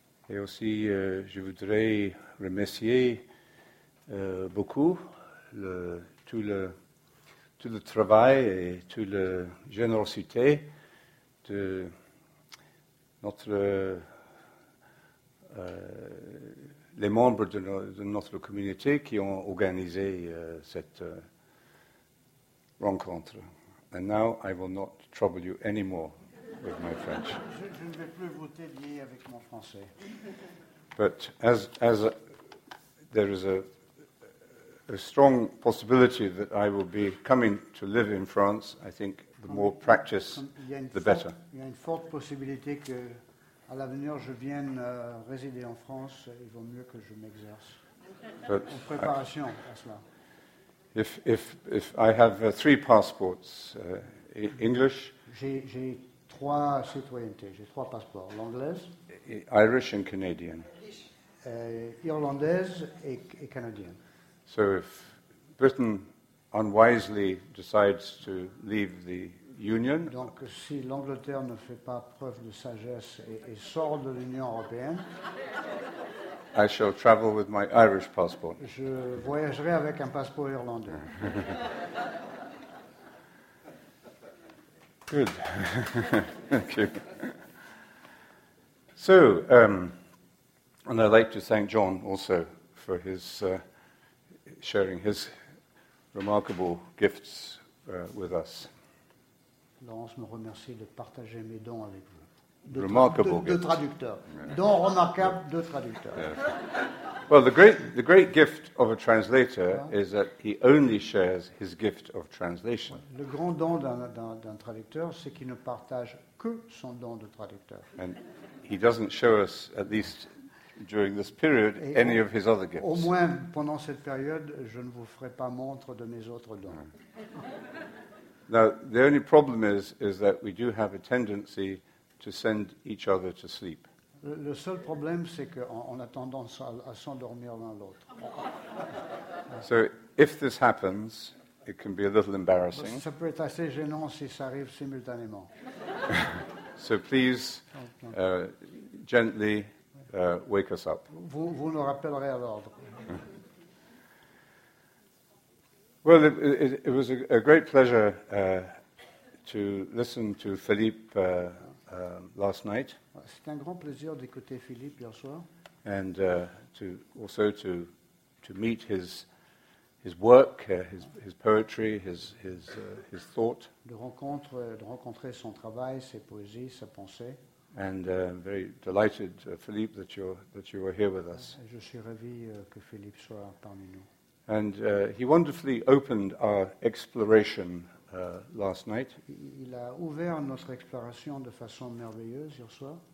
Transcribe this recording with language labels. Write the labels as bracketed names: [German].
[French] Et aussi, je voudrais remercier beaucoup tout le travail et toute la générosité de les membres de notre communauté qui ont organisé cette rencontre. [English] And now I will not trouble you anymore with my French. [French] Je ne vais plus vous tédier avec mon français. [English] But as there is a strong possibility that I will be coming to live in France, I think the more practice, the better. [French] Il y a une forte possibilité que à l'avenir je vienne résider en France. Il vaut mieux que je m'exerce en préparation à cela. [English] If I have three passports, English. [French] J'ai trois citoyennetés. J'ai trois passeports. L'anglaise. [English] Irish and Canadian. [French] Irlandaise et canadienne. [English] So if Britain unwisely decides to leave the Union, [French] donc si l'Angleterre ne fait pas preuve de sagesse et sort de l'Union européenne, [English] I shall travel with my Irish passport. [French] Je voyagerai avec un passeport irlandais. [English] Good. Thank you. So, and I'd like to thank John also for his sharing his remarkable gifts with us. [French] Laurence me remercie de partager mes dons avec vous. De [English] remarkable gifts. [French] De traducteur. [English] Yeah. [French] Dons remarquables de traducteur. [English] Yeah. Well, the great gift of a translator is that he only shares his gift of translation. [French] Le grand don d'un traducteur, c'est qu'il ne partage que son don de traducteur. [English] And he doesn't show us, at least during this period, et any of his other gifts. [French] Au moins pendant cette période, je ne vous ferai pas montre de mes autres dons. [English] Now, the only problem is that we do have a tendency to send each other to sleep. [French] Le seul problème, c'est qu'on a tendance à s'endormir l'un l'autre. [English] So, if this happens, it can be a little embarrassing. [French] Ça peut être assez gênant si ça arrive simultanément. [English] So, please, gently, wake us up. [French] Vous nous rappellerez à l'ordre. [English] Well, it was a great pleasure to listen to Philippe last night. [French] C'était un grand plaisir d'écouter Philippe hier soir. [English] And to meet his work, his poetry, his thought. [French] De rencontrer son travail, ses poésies, sa pensée. [English] And very delighted, Philippe, that you are here with us. [French] Je suis ravi que Philippe soit parmi nous. [English] And he wonderfully opened our exploration last night. [French] Il a ouvert notre exploration de façon merveilleuse hier soir.